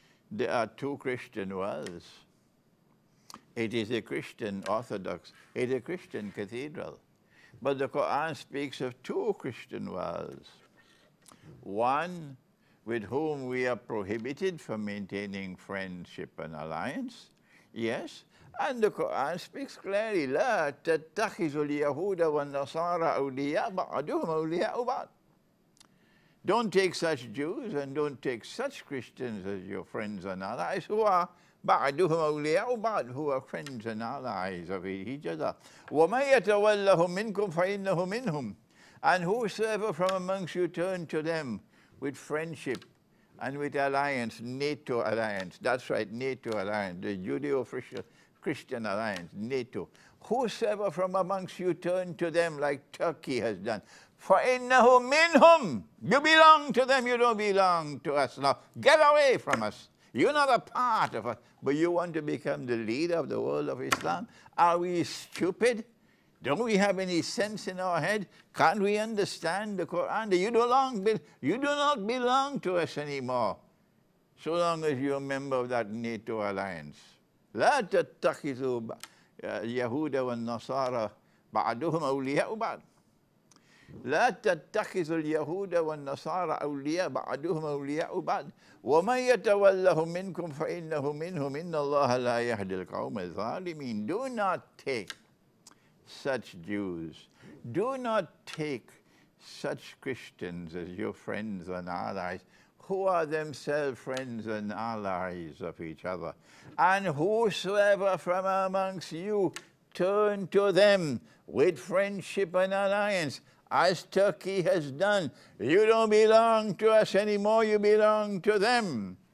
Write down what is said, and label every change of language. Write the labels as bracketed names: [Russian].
[English] There are two Christian worlds. It is a Christian Orthodox, it is a Christian cathedral. But the Quran speaks of two Christian worlds. One with whom we are prohibited from maintaining friendship and alliance. Yes. And the Quran speaks clearly, [Arabic] لا تتخذوا اليهود والنصارى أولياء بعضهم أولياء بعض. [English] Don't take such Jews and don't take such Christians as your friends and allies, who are [Arabic] بعضهم أولياء بعض, [English] who are friends and allies of each other. [Arabic] وَمَنْ يَتَوَلَّهُمْ مِنْكُمْ فَإِنَّهُ مِنْهُمْ. [English] And whosoever from amongst you turn to them with friendship and with alliance, NATO alliance, that's right, NATO alliance, the Judeo-Christian alliance, NATO. Whosoever from amongst you turn to them like Turkey has done, for [Arabic] innahu minhum, [English] you belong to them, you don't belong to us now. Get away from us. You're not a part of us, but you want to become the leader of the world of Islam? Are we stupid? Don't we have any sense in our head? Can't we understand the Quran? You do not belong to us anymore, so long as you're a member of that NATO alliance. [Arabic] لا تتخذوا اليهود والنصارى بعضهم أولياء بعض. لا تتخذوا اليهود والنصارى أولياء بعضهم أولياء بعض. ومن يتولهم منكم فإنه منهم إن الله لا يهدي القوم الظالمين. [English] Do not take such Jews. Do not take such Christians as your friends and allies, who are themselves friends and allies of each other. And whosoever from amongst you turn to them with friendship and alliance, as Turkey has done, you don't belong to us anymore, you belong to them.